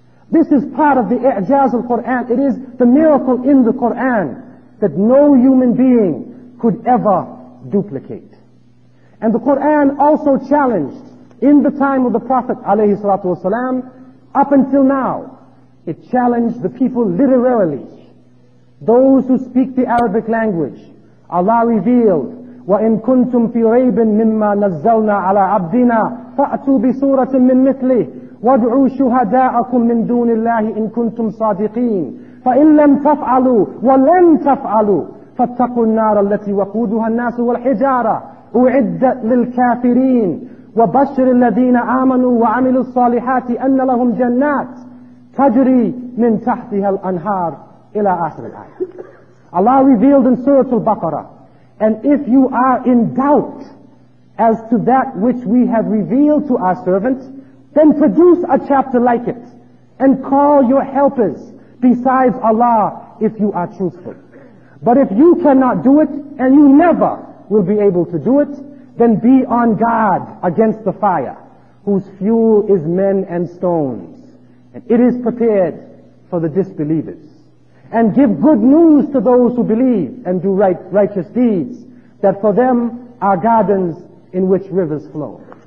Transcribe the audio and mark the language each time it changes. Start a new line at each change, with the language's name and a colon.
English: This is part of the i'jaz al-Qur'an. It is the miracle in the Qur'an that no human being could ever duplicate. And the Qur'an also challenged in the time of the Prophet alayhi salatu wasalam, up until now, it challenged the people literarily. Those who speak the Arabic language, Allah revealed,
Arabic: وَإِن كُنْتُمْ فِي رَيْبٍ مِمَّا نَزَّلْنَا عَلَىٰ عَبْدِنَا فَأْتُوا بِسُورَةٍ مِّنْ مِثْلِهِ وَادْعُوا شُهَدَاءَكُمْ مِنْ دُونِ اللَّهِ إِن كُنْتُمْ صَادِقِينَ فَإِن لَمْ تَفْعَلُوا وَلَمْ تَفْعَلُوا فَاتَّقُوا النَّارَ الَّتِي وَقُودُهَا النَّاسُ وَالْحِجَارَةُ أُعِدَّتْ لِلْكَافِرِينَ وَبَشِّرِ الَّذِينَ آمَنُوا وَعَمِلُوا الصَّالِحَاتِ أَنَّ لَهُمْ جَنَّاتٍ تَجْرِي مِنْ تَحْتِهَا الْأَنْهَارُ إِلَىٰ آخِرِ الْآيَةِ
English: Allah revealed in Surah Al-Baqarah, and if you are in doubt as to that which we have revealed to our servant, then produce a chapter like it and call your helpers besides Allah if you are truthful. But if you cannot do it and you never will be able to do it, then be on guard against the fire whose fuel is men and stones, and it is prepared for the disbelievers. And give good news to those who believe and do righteous deeds, that for them are gardens in which rivers flow.